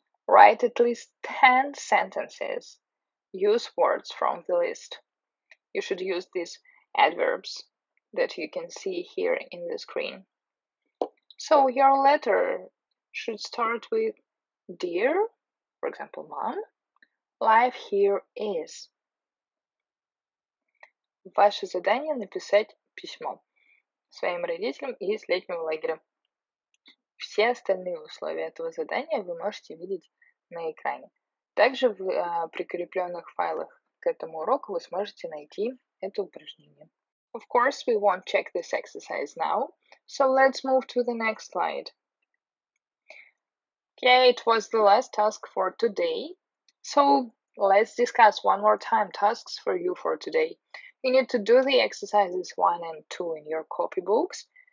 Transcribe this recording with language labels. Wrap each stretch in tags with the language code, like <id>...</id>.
<en>Write at least 10 sentences. Use words from the list. You should use these adverbs that you can see here in the screen. So your letter should start with Dear, for example, Mom, life here is.</en> <ru>Ваше задание – написать письмо своим родителям из летнего лагеря. Все остальные условия этого задания вы можете видеть на экране. Также в прикрепленных файлах к этому уроку вы сможете найти это упражнение.</ru> <en>Of course, we won't check this exercise now, so let's move to the next slide. Okay, it was the last task for today. So let's discuss one more time tasks for you for today. You need to do the exercises 1 and 2 in your copybooks.</en>